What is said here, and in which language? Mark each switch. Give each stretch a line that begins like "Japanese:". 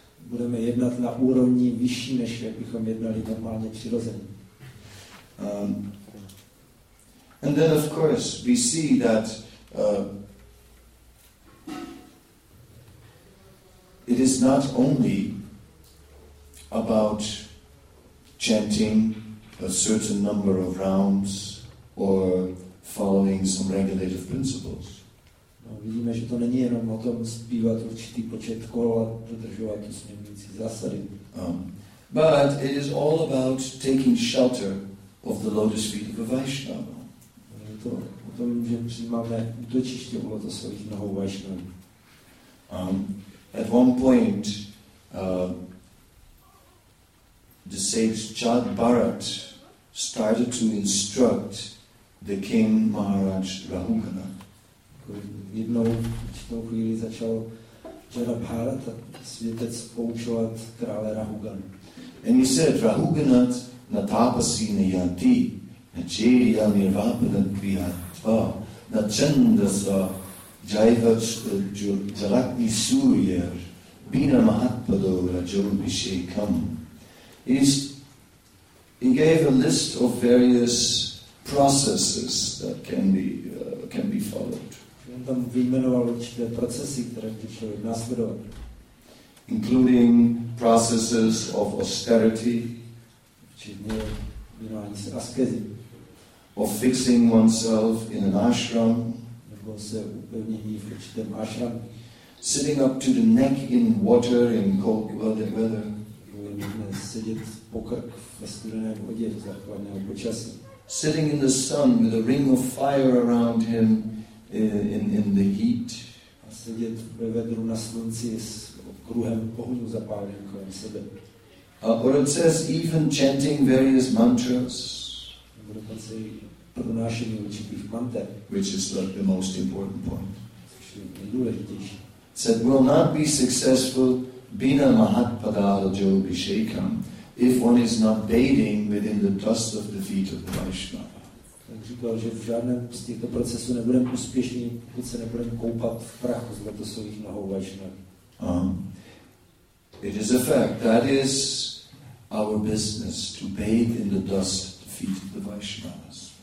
Czech: Budeme jednat na úrovni vyšší, než jak bychom jednali normálně přirozeně.
English: And then of course we see that it is not only about chanting a certain number of rounds or following some regulative principles.
Czech: Vidíme, že to není jenom o tom zpívat určitý počet kol a dodržovat usměrující zásady.
English: But it is all about taking shelter of the lotus feet of a Vaishnava.
Czech: Je to o tom, že přijímáme útočiště u lotosových nohou Vaishnavy.
English: At one point, the sage Chad Bharat started to instruct the king Maharaj Rahukana.
Czech: Jednou v tom chvíli začal Jarabharat a světec poučovat krále Rahugana.
English: And he said,
Sanskrit: Rahuganat natapasi niyanti na chiriya nirvapanat vihatva na chandasa jaivach jarakni suryar bina mahatpado rajom vishekam.
English: He gave a list of various processes that can be followed.
Czech: Tam vyjmenoval určité procesy, které by člověk následoval.
English: Including processes of austerity.
Czech: Včetně věnování se askezi.
English: Of fixing oneself in an ashram.
Czech: Nebo se upevnění v určitém ashram.
English: Sitting up to the neck in water in cold weather.
Czech: Sedět po krk ve studené vodě v zachovaném počasí.
English: Sitting in the sun with a ring of fire around him. In the heat.
Czech: A sedět ve vedru na slunci s kruhem ohňu zapáleným kolem sebe.
English: Or it says even chanting various mantras.
Czech: Nebo dokonce i pronášení určitých mantr.
English: Which is like the most important point.
Czech: Což je nejdůležitější.
English: Said will not be successful
Sanskrit: bina mahatpada jo bishekam
English: if one is not bathing within the dust of the feet of the Vaishnava.
Czech: Říkal, že v žádném z těchto procesů nebudeme úspěšní, pokud se nebudeme koupat v prachu z lotosových nohou Vaishnavy.
English: It is a fact. That is our business, to bathe in the dust at the feet of the Vaishnavas.